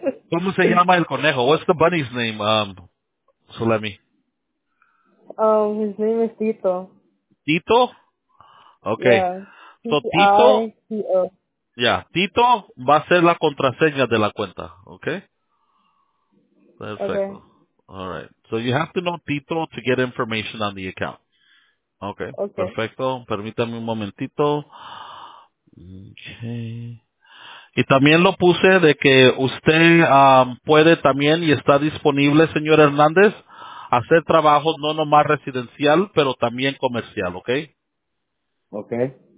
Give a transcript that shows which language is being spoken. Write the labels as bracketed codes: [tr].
[es] ¿Cómo se llama el conejo? [en] What's the bunny's name, Sulemi? His name is Tito. Tito? Okay. Yeah. [es] So, Tito, Tito va a ser la contraseña de la cuenta, ¿ok? Perfecto. [en] Okay. All right. So you have to know Tito to get information on the account. [es] Okay. Perfecto. Permítame un momentito. Okay. Y también lo puse de que usted puede también y está disponible, señor Hernández, hacer trabajos no nomás residencial, pero también comercial, ¿ok? [en] Okay.